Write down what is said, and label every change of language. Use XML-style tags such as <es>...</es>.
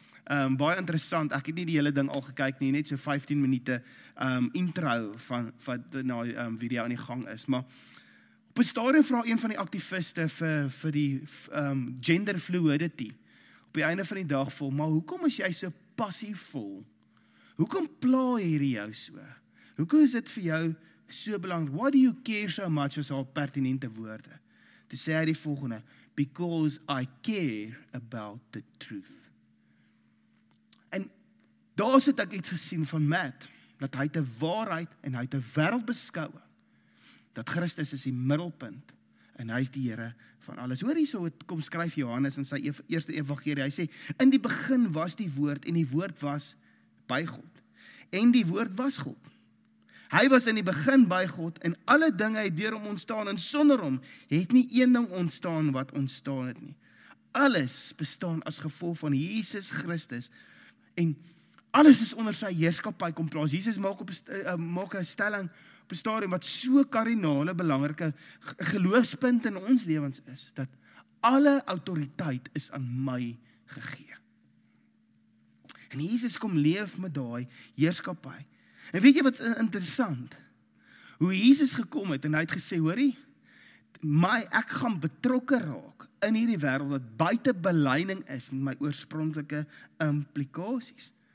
<af>Baie interessant, ek het nie die hele ding al gekyk nie, net so 15 minute intro van wat na video aan die gang is, maar op 'n stadium vra een van die aktiviste vir die gender fluidity, op die einde van die dag voel, maar hoekom is jy so passievol? Hoekom pla hierdie jou so? Hoekom is dit vir jou so belangrijk?</af> <en>Why do you care so much,</en> <af>was al pertinente woorde. Toe sê hy die volgende,</af> <en>because I care about the truth.</en> <af>En daar het ek iets gesien van Matt, dat hy het die waarheid en hy het die wereld beskou, dat Christus is die middelpunt en hy is die Here van alles. Hoor hierso, kom skryf Johannes in sy eerste evangelie, hy sê, in die begin was die woord en die woord was by God. En die woord was God. Hy was in die begin by God en alle dinge het deur hom ontstaan en sonder hom het nie een ding ontstaan wat ontstaan het nie. Alles bestaan as gevolg van Jesus Christus en alles is onder sy heerskappy kom plaas. Jesus maak 'n stelling op 'n stadium wat so kardinale belangrike geloofspunt in ons lewens is, dat alle autoriteit is aan my gegee. En Jesus kom leef met daai heerskappy. En weet jy wat interessant? Hoe Jesus gekom het en hy het gesê, hoorie, my ek gaan betrokke raak in hierdie wêreld wat buite belyning is met my oorspronklike implikasies.</af>